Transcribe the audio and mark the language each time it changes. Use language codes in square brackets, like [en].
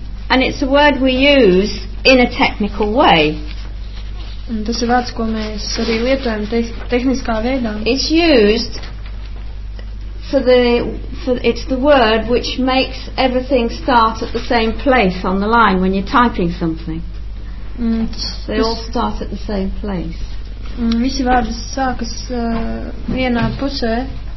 [en] And it's a word we use in a technical way. [lv] Un tas ir vārds, ko mēs arī lietojam tehniskā veidā. [en] It's used it's the word which makes everything start at the same place on the line when you're typing something. They all start at the same place. [lv] Visi vārdi sākas vienā pusē.